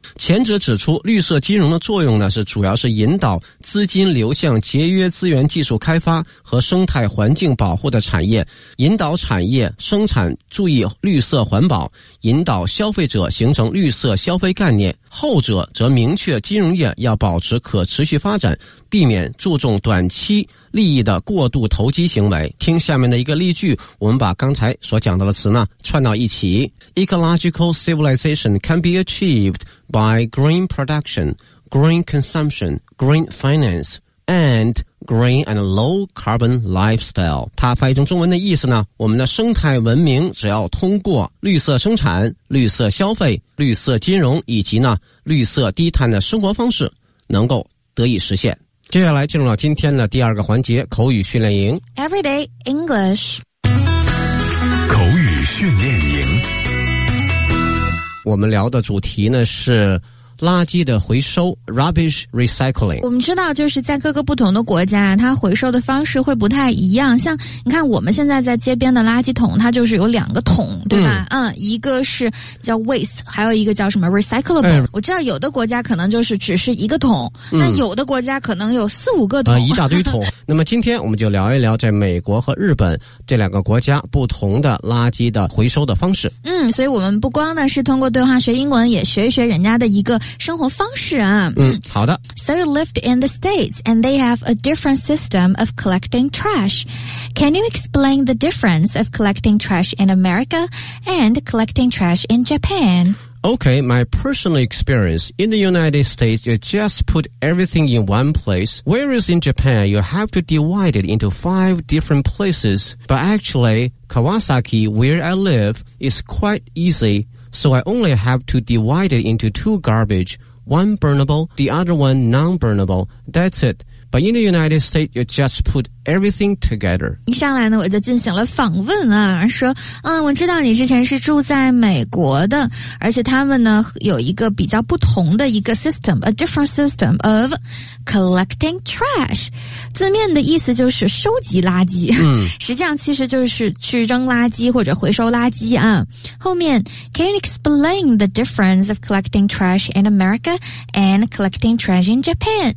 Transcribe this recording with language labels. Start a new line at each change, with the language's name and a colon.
Chinese: 前者指出绿色金融的作用呢是主要是引导资金流向节约资源技术开发和生态环境保护的产业，引导产业生产注意绿色环保，引导消费者形成绿色消费概念，后者则明确金融业要保持可持续发展，避免注重短期利益的过度投机行为。听下面的一个例句，我们把刚才所讲到的词呢串到一起。
English: Ecological civilization can be achieved by green production, green consumption, green finance, and green and low carbon lifestyle.
Chinese: 它翻译成中文的意思呢，我们的生态文明只要通过绿色生产、绿色消费、绿色金融以及呢绿色低碳的生活方式能够得以实现。接下来进入到今天的第二个环节，口语训练营。
English: Everyday English.
Chinese: 口语训练营。我们聊的主题呢是垃圾的回收
English: Rubbish Recycling。
Chinese: 我们知道就是在各个不同的国家它回收的方式会不太一样，像你看我们现在在街边的垃圾桶它就是有两个桶对吧，一个是叫 Waste 还有一个叫什么 Recyclable、我知道有的国家可能就是只是一个桶，那有的国家可能有四五个桶、一大堆桶那么今天我们就聊一聊在美国和日本这两个国家不同的垃圾的回收的方式。所以我们不光呢是通过对话学英文，也学一学人家的一个生活方式啊。好的。
English: So you lived in the States and they have a different system of collecting trash. Can you explain the difference of collecting trash in America and collecting trash in Japan? Okay, my personal experience in the United States, you just put everything in one place. Whereas in Japan, you have to divide it into five different places. But actually, Kawasaki, where I live, is quite easy. So I only have to divide it into two garbage, one burnable, the other one non-burnable. That's it. But in the United States, you just put everything together.
Chinese: 一上来呢，我就进行了访问啊，说，我知道你之前是住在美国的，而且他们呢有一个比较不同的一个
English: system, a different system of collecting trash.
Chinese: 字面的意思就是收集垃圾。实际上其实就是去扔垃圾或者回收垃圾啊。后面
English: ,can you explain the difference of collecting trash in America and collecting trash in Japan?